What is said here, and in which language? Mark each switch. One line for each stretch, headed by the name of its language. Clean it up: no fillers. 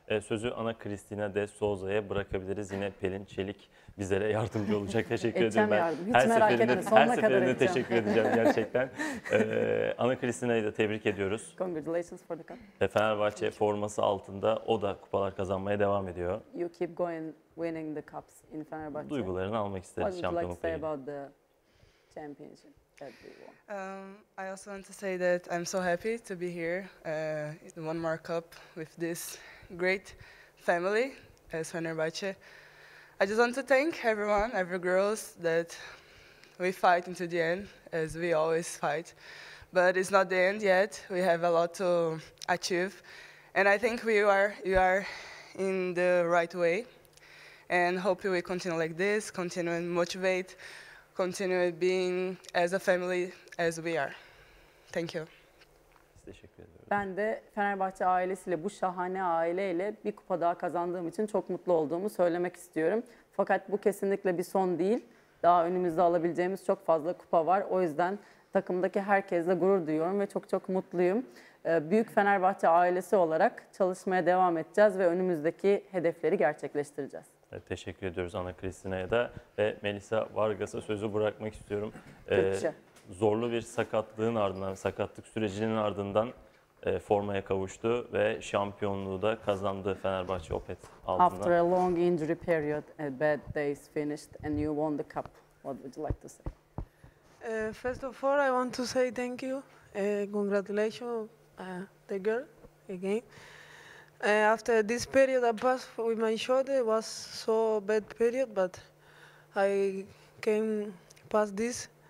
Turkish: Sözü Ana Cristina de Souza'ya bırakabiliriz. Yine Pelin Çelik bizlere yardımcı olacak. Teşekkür ederim ben. Yardım. Hiç her merak seferinde, etme. Her seferinde teşekkür edeceğim gerçekten. Ana Cristina'yı da tebrik ediyoruz.
English: Congratulations for the cup.
Turkish: Fenerbahçe forması altında o da kupalar kazanmaya devam ediyor.
English: You keep going winning the cups in Fenerbahçe.
Turkish: Duygularını almak isteriz şampiyonlukta.
English: What would you like to say about the championship? I also want to say that I'm so happy to be here in one more cup with this great family as Fenerbahçe. I just want to thank everyone, every girls that we fight into the end as we always fight. But it's not the end yet. We have a lot to achieve. And I think you are in the right way. And hope we continue like this, continue and motivate. Continue being as a family as we are. Thank you.
Turkish: Teşekkür ederim. ben de Fenerbahçe ailesiyle, bu şahane aileyle bir kupa daha kazandığım için çok mutlu olduğumu söylemek istiyorum. Fakat bu kesinlikle bir son değil. Daha önümüzde alabileceğimiz çok fazla kupa var. O yüzden takımdaki herkesle gurur duyuyorum ve çok çok mutluyum. Büyük Fenerbahçe ailesi olarak çalışmaya devam edeceğiz ve önümüzdeki hedefleri gerçekleştireceğiz. Evet, teşekkür ediyoruz Ana Cristina'ya da ve Melisa Vargas'a sözü bırakmak istiyorum. Zorlu bir sakatlığın ardından, sakatlık sürecinin ardından formaya kavuştu ve şampiyonluğu da kazandı Fenerbahçe Opet altında.
English: After a long injury period, a bad day is finished and you won the cup. What would you like to say? First of all, I want to say thank you. Congratulations, the girl, again. After this period that passed with my shoulder, it was so bad period, but I came past this.